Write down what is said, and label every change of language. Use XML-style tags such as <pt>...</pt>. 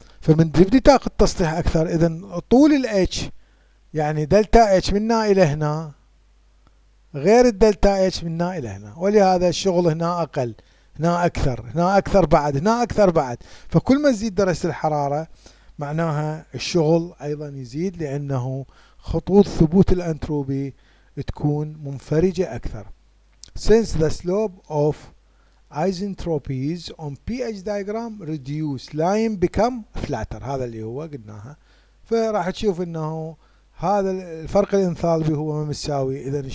<ar>فمن تبدي تاخذ تسطيح اكثر اذا طول الاتش، يعني دلتا اتش منا الى هنا غير الدلتا اتش منا الى هنا، ولهذا الشغل هنا اقل. هنا اكثر، هنا اكثر بعد، هنا اكثر بعد. فكل ما تزيد درجه الحراره معناها الشغل ايضا يزيد، لانه خطوط ثبوت الانتروبي تكون منفرجه اكثر.</ar> <en>Since the slope of isentropies on pH diagram reduce, line become flatter.</en> <ar>هذا اللي هو قلناها. فراح تشوف انه هذا الفرق الانثالبي هو ما متساوي.</ar>